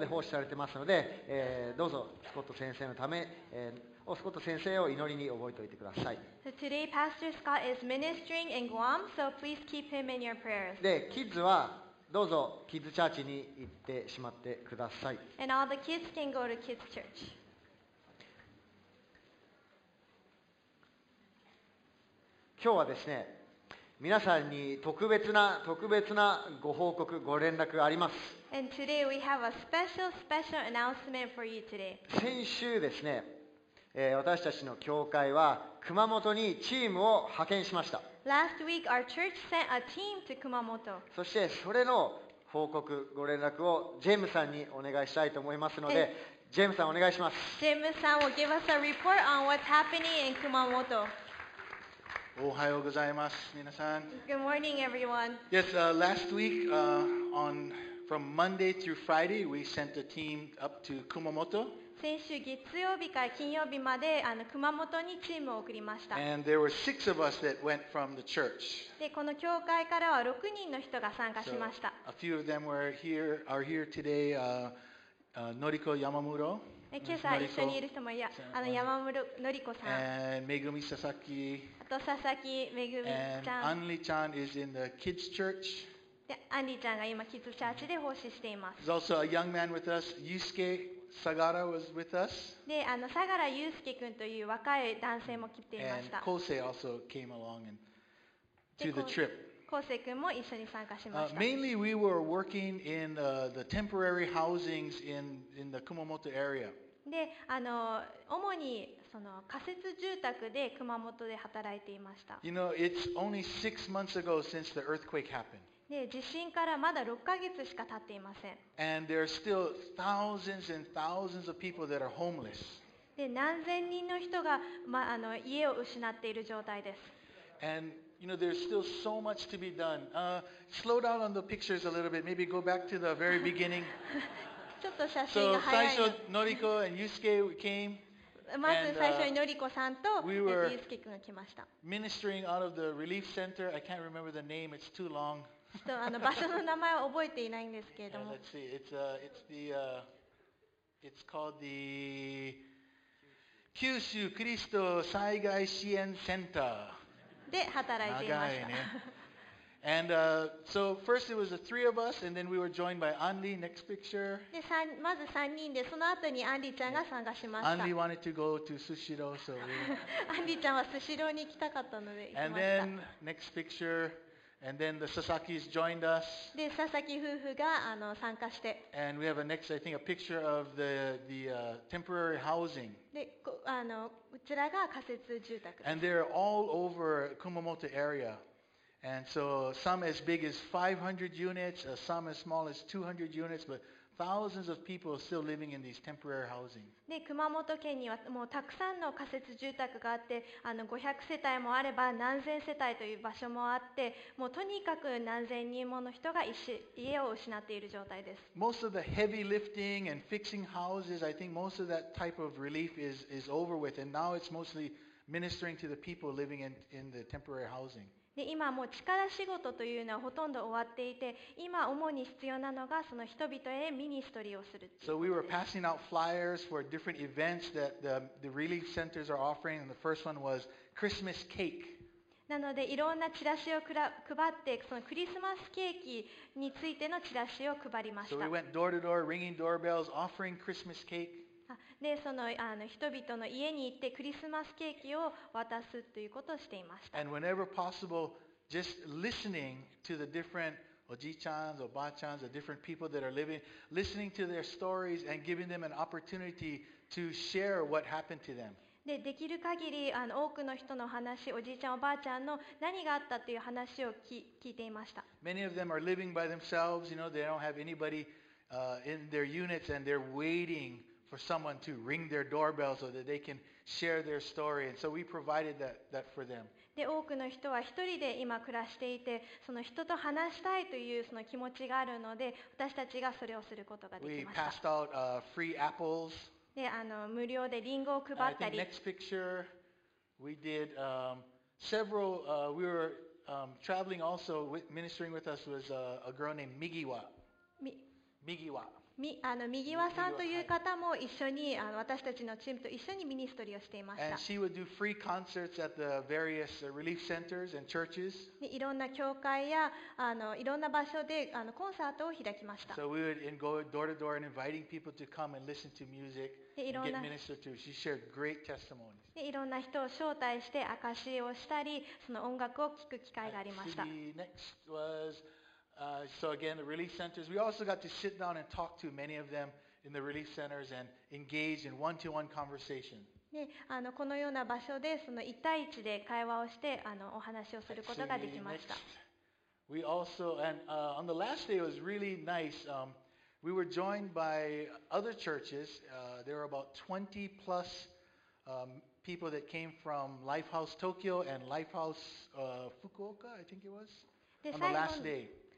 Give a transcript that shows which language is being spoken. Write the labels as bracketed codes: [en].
[ja] されてますので、どうぞスコット先生のため、スコット先生を祈りに覚えておいてください。 [en] So、today, Pastor Scott is ministering in Guam, so please keep him in your prayers. [ja] で、キッズはどうぞキッズチャーチに行ってしまってください。 [en] And all the kids can go to kids church. [ja] 今日はですね、皆さんに特別なご報告、ご連絡があります。 [en] And today we have a special announcement for you today. [ja] 先週ですね、私たちの教会は熊本にチームを派遣しました。 [en] Last week our church sent a team to 熊本。 [ja] そしてそれの報告、ご連絡をジェームさんにお願いしたいと思いますので、ジェームさんお願いします。 [en] ジェームさん will give us a report on what's happening in 熊本。 [ja] おはようございます、皆さん。 [en] Good morning, everyone. Yes, last week, from Monday through Friday, we sent a team up to Kumamoto. [ja] 先週月曜日から金曜日まで熊本にチームを送りました。 [en] And there were six of us that went from the church. [ja] で、この教会からは6人の人が参加しました。 [en] So, a few of them are here today, Noriko Yamamuro. [ja] 今朝一緒にいる人もいや、山室のりこさん、めぐみささき、と佐々木めぐみちゃん、 [en] アンリちゃん is in the kids church。 [ja] で、アンリちゃんが今キッズチャーチで奉仕しています。 [en] There's also a young man with us, Yusuke Sagara was with us。 [ja] で、佐原祐介くんという若い男性も来ていました。 [en] And Kosei also came along and to the trip。 [ja] Kosei くんも一緒に参加しました。 [en] Mainly we were working in the temporary housings in the Kumamoto area。 [ja] で、主にその仮設住宅で熊本で働いていました。 [en] You know, it's only six months ago since the earthquake happened。 [ja] で、地震からまだ6ヶ月しか経っていません。 [en] And there are still thousands and thousands of people that are homeless。 [ja] で、何千人の人が、ま、家を失っている状態です。 [en] And you know, there's still so much to be done. Slow down on the pictures a little bit. Maybe go back to the very beginning. [ja] ちょっと写真が早いよ。 [en] So, [ja] 最初、 [en] のりこ and Yusuke came. [ja] まず最初にのりこさんとユースケ君が来ました。 [en] We were ministering out of the relief center. I can't remember the name. It's too long. [ja] ちょっと場所の名前は覚えていないんですけれども。 [en] Let's see. It's, it's called the 九州クリスト災害支援センター。 [ja] で働いていました。長いね。 [en] And so first it was the three of us, and then we were joined by Anli. Next picture. [ja] で、まず3人で、その後にアンリちゃんが参加しました。 [en] Anli wanted to go to Sushiro, so we. [ja] アンリちゃんはスシローに行きたかったので行きました。 [en] And then next picture, and then the Sasakis joined us. [ja] で、佐々木夫婦が参加して。 [en] And we have a next, I think, a picture of the temporary housing. [ja] で、こちらが仮設住宅です。 [en] And they're all over Kumamoto area. And so some as big as 500 units, some as small as 200 units, but thousands of people are still living in these temporary housing. [ja] で、熊本県にはもうたくさんの仮設住宅があって、500世帯もあれば何千世帯という場所もあって、もうとにかく何千人もの人が家を失っている状態です。 [en] Most of the heavy lifting and fixing houses, I think most of that type of relief is over with, and now it's mostly ministering to the people living in the temporary housing. [ja] で今もう力仕事というのはほとんど終わっていて、今主に必要なのがその人々へミニストリーをするということです。 [en] So we were passing out flyers for different events that the relief centers are offering, and the first one was Christmas cake. [ja] なのでいろんなチラシを配って、そのクリスマスケーキについてのチラシを配りました。 [en] So we went door to door, ringing doorbells, offering Christmas cake. [ja] でその人々の家に行ってクリスマスケーキを渡すということをしていました。 [en] And whenever possible, just listening to the different [ja] おじいちゃん、おばあちゃん、 [en] the different people that are living, listening to their stories and giving them an opportunity to share what happened to them. [ja] で、 できる限り多くの人の話、おじいちゃんおばあちゃんの何があったという話を聞いていました。 [en] Many of them are living by themselves. You know, they don't have anybody in their units, and they're waiting for someone to ring their doorbell so that they can share their story. And so we provided that for them. [ja] で、多くの人は一人で今暮らしていて、その人と話したいというその気持ちがあるので、私たちがそれをすることができました。 [en] We passed out free apples. [ja] で、無料でリンゴを配ったり。 [en] I think next picture, we did several. We were traveling also with, ministering with us was a girl named Migiwa. Migiwa. [ja] ミギワさんという方も一緒に私たちのチームと一緒にミニストリーをしていました。いろんな教会やいろんな場所でコンサートを開きました。 [en] So we would go door to door and inviting people to come and listen to music and get ministered to. She shared great testimonies. [ja] でいろんな人を招待して証しをしたり、その音楽を聴く機会がありました。 [en] Next was. So again, the relief centers. We also got to sit down and talk to many of them in the relief centers and engage in one-to-one conversation. [ja] ね、このような場所でその一対一で会話をしてお話をすることができました。 [en] We also and on the last day it was really nice. We were joined by other churches. There were about 20 plus people that came from Lifehouse Tokyo and Lifehouse Fukuoka. I think it was on the last day.